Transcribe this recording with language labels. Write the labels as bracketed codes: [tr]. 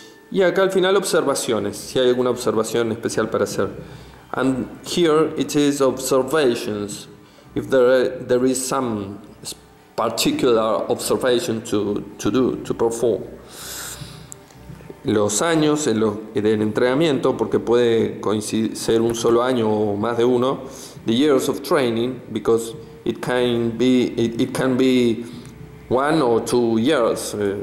[es] Y acá al final observaciones, si hay alguna observación especial para hacer. [en] And here it is observations, if there is some particular observation to perform. [es] Los años del entrenamiento, porque puede coincidir ser un solo año o más de uno. [en] The years of training, because it can be 1 or 2 years.